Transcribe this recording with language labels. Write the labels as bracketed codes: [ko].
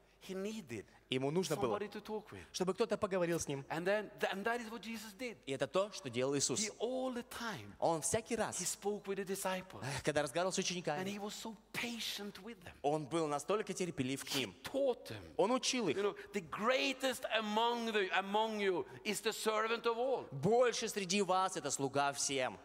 [en] He needed [ru] Ему нужно было, [en] somebody to talk with. [ru] Чтобы кто-то поговорил с ним. [en] And that is what Jesus did. [ru] И это то, что делал Иисус. [en] He all the time, [ru] он всякий раз, [en] he spoke with the disciples, [ru] когда разговаривал с учениками, [en] and he was so patient with them. [ru] Он был настолько терпелив к ним. [en] He taught them. [ru] Он учил их. [en] You know, the greatest among you is the servant of all. [ru] Больше среди вас это слуга всем.